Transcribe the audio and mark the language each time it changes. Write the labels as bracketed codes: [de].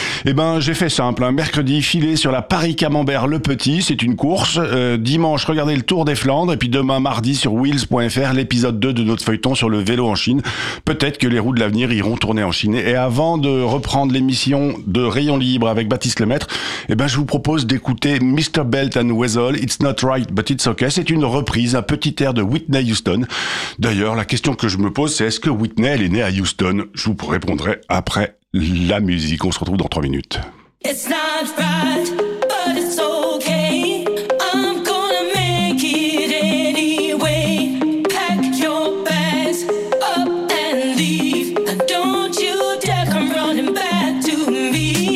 [fr] Eh ben, j'ai fait simple, un mercredi, filé sur la Paris Camembert Le Petit, c'est une course. Dimanche, regardez le Tour des Flandres et puis demain, mardi, sur wheels.fr, l'épisode 2 de notre feuilleton sur le vélo en Chine. Peut-être que les roues de l'avenir iront tourner en Chine. Et avant de reprendre l'émission de Rayon Libre avec Baptiste Lemaître, eh ben, je vous propose d'écouter Mr. [en] Belt and Whistle, It's Not Right But It's Okay. [fr] C'est une reprise, un petit air de Whitney Houston. D'ailleurs, la question que je me pose, c'est est-ce que Whitney, elle est née à Houston? Je vous répondrai après la musique. On se retrouve dans 3 minutes. [en] It's not right, but it's okay. I'm gonna make it anyway. Pack your bags up and leave. Don't you dare come running back to me.